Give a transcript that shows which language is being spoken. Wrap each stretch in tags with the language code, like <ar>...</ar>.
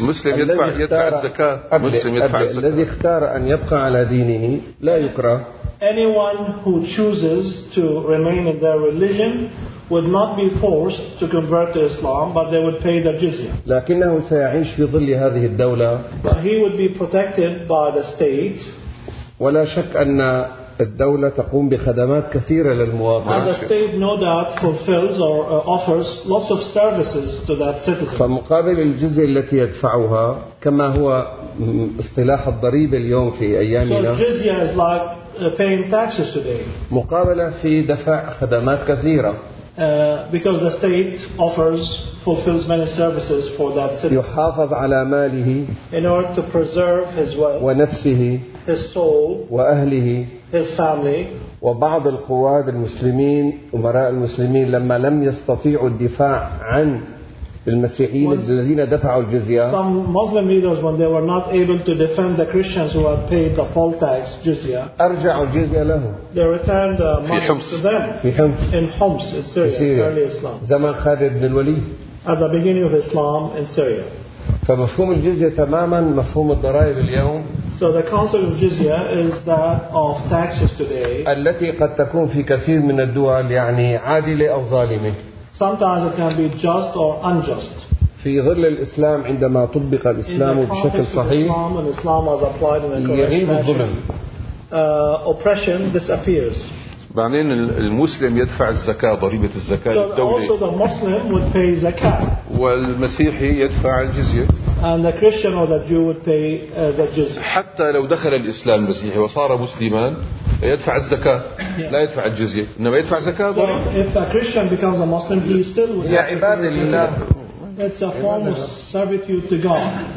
<ar>Muslim يدفع الزكاة. الذي اختار أن يبقى على دينه لا يكره.</ar> <en>Anyone who chooses to remain in their religion would not be forced to convert to Islam, but they would pay the jizya.</en> <ar>لكنه سيعيش في ظل هذه الدولة.</ar> <en>But he would be protected by the state.</en> <ar>ولا شك أن الدولة تقوم بخدمات كثيرة للمواطن.</ar> <en>And the state, no doubt, fulfills or offers lots of services to that citizen.</en> <ar>فمقابل الجزية التي يدفعها كما هو اصطلاح الضريبة اليوم في أيامنا.</ar> <en>So jizya is like paying taxes today.</en> <ar>مقابلة في دفع خدمات كثيرة.</ar> <en>Because the state fulfills many services for that citizen.</en> <ar>يحافظ على ماله.</ar> <en>In order to preserve his wealth.</en> <ar>ونفسه.</ar> <en>His soul.</en> <ar>وأهله.</ar> <en>His family.</en> <ar>وبعض القواد المسلمين أمراء المسلمين لما لم يستطيعوا الدفاع عن المسيحيين الذين دفعوا الجزية.</ar> <en>Some Muslim leaders, when they were not able to defend the Christians who had paid the poll tax, jizya.</en> <ar>أرجعوا الجزية له.</ar> <en>They returned the money to them.</en> <ar>في حمص.</ar> <en>In Homs, in Syria, Syria. Early Islam.</en> <ar>زمن خالد بن الوليد.</ar> <en>At the beginning of Islam in Syria.</en> <ar>فمفهوم الجزية تماما مفهوم الضرائب اليوم.</ar> <en>So the concept of jizya is that of taxes today.</en> <ar>التي قد تكون في كثير من الدول يعني عادلة أو ظالمة.</ar> <en>Sometimes it can be just or unjust.</en> <ar>في ظل الإسلام عندما طبق الإسلام بشكل صحيح.</ar> <en>In Islam, when Islam was applied in a correct fashion, oppression disappears.</en> <ar>بعدين المسلم يدفع الزكاة ضريبة الزكاة الدولية.</ar> <en>Also the Muslim would pay zakat.</en> <ar>والمسيحي يدفع الجزية.</ar> <en>And the Christian or the Jew would pay the jizya.</en> <ar>حتى لو دخل الإسلام المسيحي وصار مسلمان. يدفع الزكاة لا يدفع الجزية إنما يدفع زكاة</ar> <en>if a Christian becomes a Muslim he still</en> <ar>يا عباد لله</ar> <en>it's a form of servitude to God</en>